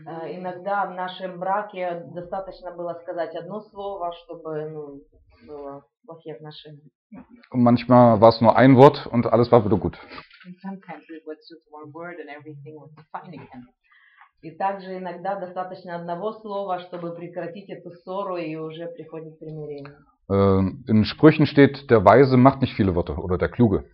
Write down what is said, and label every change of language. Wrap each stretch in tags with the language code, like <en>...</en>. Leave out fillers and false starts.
<ru>Иногда в нашем браке достаточно было сказать одно слово, чтобы было плохие отношения.</ru> <de>Und manchmal war es nur ein Wort und alles war wieder gut.</de> <en>And sometimes it was just one word and everything was fine again.</en> <ru>И также иногда достаточно одного слова, чтобы прекратить эту ссору и уже приходит примирение.</ru> <de>In Sprüchen steht, der Weise macht nicht viele Worte, oder der Kluge.</de>